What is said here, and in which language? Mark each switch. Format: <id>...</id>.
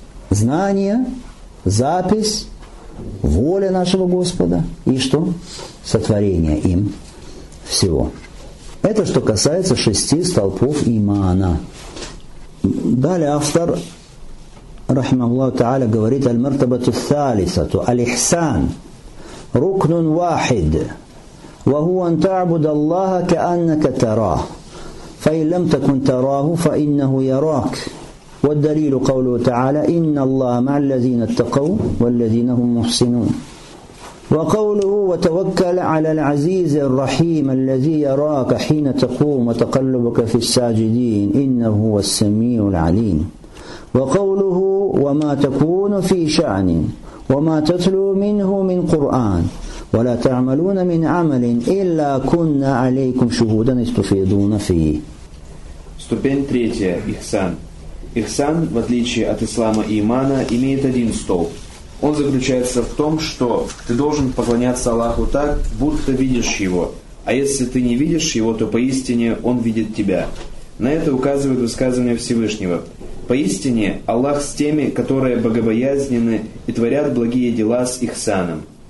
<ru>Знание, запись, воля нашего Господа. И что? Сотворение им всего. Это что касается шести столпов имана. Далее автор, рахимахуллах тааля, говорит «Аль-мартабату ссалисату аль-ихсан».</ru> <ar>ركن واحد وهو أن تعبد الله كأنك تراه فإن لم تكن تراه فإنه يراك والدليل قوله تعالى إن الله مع الذين اتقوا والذين هم محسنون وقوله وتوكل على العزيز الرحيم الذي يراك حين تقوم وتقلبك في الساجدين إنه هو السميع العليم وقوله وما تكون في شأن وما تتلو منه من قرآن ولا تعملون من عمل إلا كنا عليكم شهودا استفيدون فيه.</ar> <ru>Ступень третья – Ихсан. Ихсан, в отличие от ислама и имана, имеет один столб. Он заключается в том, что ты должен поклоняться Аллаху так, будто видишь его. А если ты не видишь его, то поистине он видит тебя. На это указывает высказывание Всевышнего. Поистине, Аллах с теми, которые богобоязнены и творят благие дела с ихсаном.</ru>